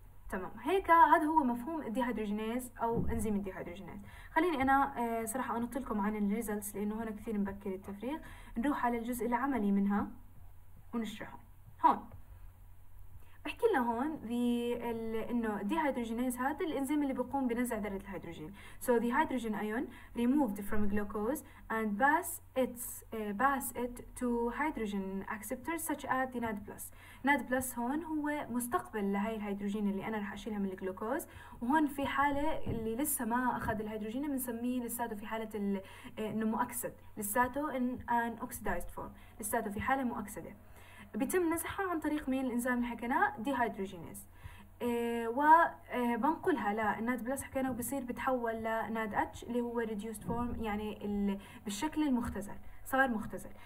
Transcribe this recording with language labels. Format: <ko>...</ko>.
<ar>تمام هيك هذا هو مفهوم الديهايدروجينيز او انزيم الديهايدروجينيز. خليني انا صراحه انط لكم عن الريزلتس لانه هنا كثير مبكر التفريغ، نروح على الجزء العملي منها ونشرحه. هون بحكي لنا هون انه الديهايدروجينيز هذا الانزيم اللي بيقوم بنزع ذره الهيدروجين.</ar> <en>So the hydrogen ion removed from glucose and pass it to hydrogen acceptors such as the NAD+.</en> <ar>NAD+ هون هو مستقبل لهي الهيدروجين اللي انا رح اشيلها من الجلوكوز، وهون في حاله اللي لسه ما اخذ الهيدروجين بنسميه لساته في حاله انه مؤكسد، لساته</ar> <en>in an oxidized form،</en> <ar>لساته في حاله مؤكسده. بيتم نزعها عن طريق مين الانزيم اللي حكيناه ديهايدروجينيز، وبنقلها لناد بلس حكينا، وبصير بتحول لناد اتش اللي هو ريديوست فورم، يعني بالشكل المختزل، صار مختزل.</ar>